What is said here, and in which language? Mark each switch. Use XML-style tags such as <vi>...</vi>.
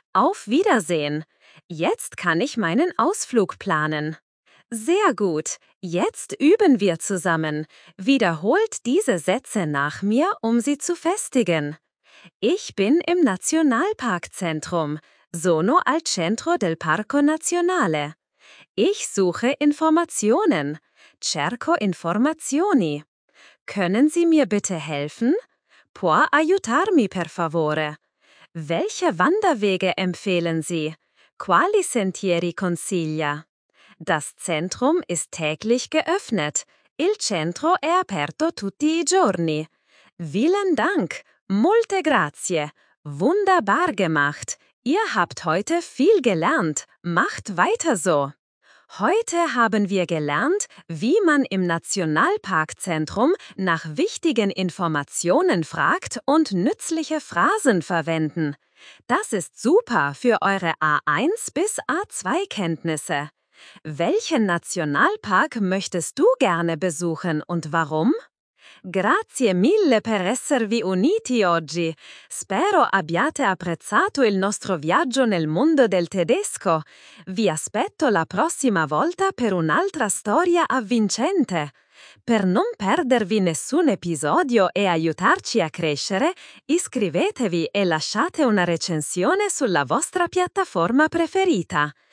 <de>Auf Wiedersehen. Jetzt kann ich meinen Ausflug planen. Sehr gut. Jetzt üben wir zusammen. Wiederholt diese Sätze nach mir, um sie zu festigen. Ich bin im Nationalparkzentrum.</de> <it>Sono al centro del Parco Nazionale.</it> <de>Ich suche Informationen.</de> <it>Cerco informazioni.</it> <de>Können Sie mir bitte helfen?</de> <it>Può aiutarmi per favore?</it> <de>Welche Wanderwege empfehlen Sie?</de> <it>Quali sentieri consiglia?</it> <de>Das Zentrum ist täglich geöffnet.</de> <it>Il centro è aperto tutti i giorni.</it> <de>Vielen Dank.</de> <it>Molte grazie.</it> <de>Wunderbar gemacht. Ihr habt heute viel gelernt. Macht weiter so. Heute haben wir gelernt, wie man im Nationalparkzentrum nach wichtigen Informationen fragt und nützliche Phrasen verwenden. Das ist super für eure A1 bis A2 Kenntnisse. Welchen Nationalpark möchtest du gerne besuchen und warum?</de> <it>Grazie mille per esservi uniti oggi. Spero abbiate apprezzato il nostro viaggio nel mondo del tedesco. Vi aspetto la prossima volta per un'altra storia avvincente. Per non perdervi nessun episodio e aiutarci a crescere, iscrivetevi e lasciate una recensione sulla vostra piattaforma preferita.</it>